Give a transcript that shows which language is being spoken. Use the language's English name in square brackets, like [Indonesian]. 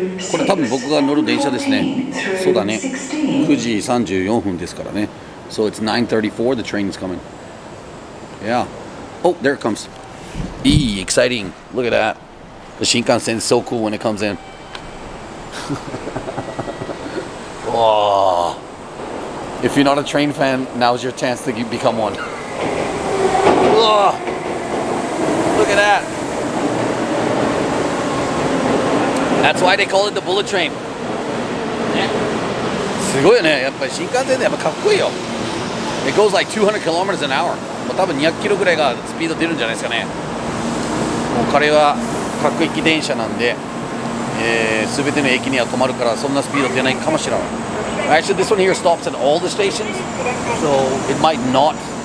[Japanese] これ多分僕が乗る電車ですね。そうだね。9時34分ですからね。 [English] So it's 9:34, the train is coming. Yeah. Oh, there it comes. Exciting. Look at that. The Shinkansen is so cool when it comes in. If you're not a train fan, now's your chance to become one. Look at that. That's why they call it the bullet train. [Japanese] すごいね。やっぱり新幹線でやっぱかっこいいよ。 [English] It goes like 200 kilometers an hour. [Japanese] もう多分200キロぐらいがスピード出るんじゃないですかね。もう彼は各駅電車なんで、すべての駅には止まるからそんなスピード出ないかもしれない。 [English] Actually, this one here stops at all the stations, so it might not